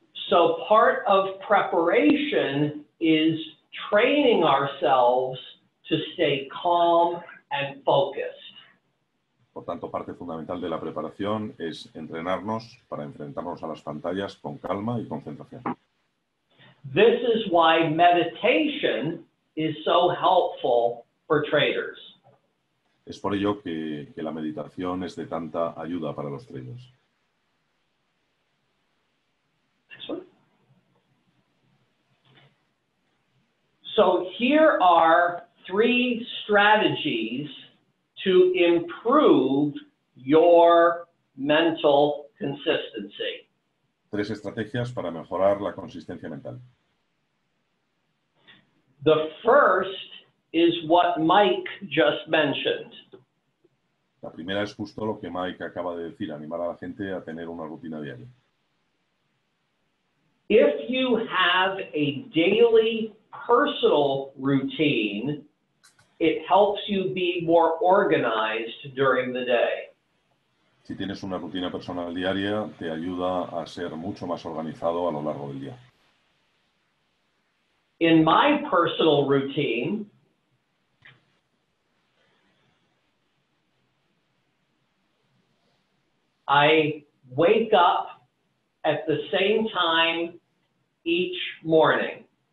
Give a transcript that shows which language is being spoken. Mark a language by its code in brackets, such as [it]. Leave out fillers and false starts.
[en] So part of preparation is training ourselves to stay calm and focused. [es] Por tanto, parte fundamental de la preparación es entrenarnos para enfrentarnos a las pantallas con calma y concentración. [en] This is why meditation is so helpful for traders. [es] Es por ello que la meditación es de tanta ayuda para los traders. [en] So here are three strategies to improve your mental consistency. [es] Tres estrategias para mejorar la consistencia mental. [en] The first is what Mike just mentioned. [es] La primera es justo lo que Mike acaba de decir, animar a la gente a tener una rutina diaria. [en] If you have a daily personal routine, it helps you be more organized during the day. [es] Si tienes una rutina personal diaria, te ayuda a ser mucho más organizado a lo largo del día. [en] In my personal routine, I wake up at the same time each morning.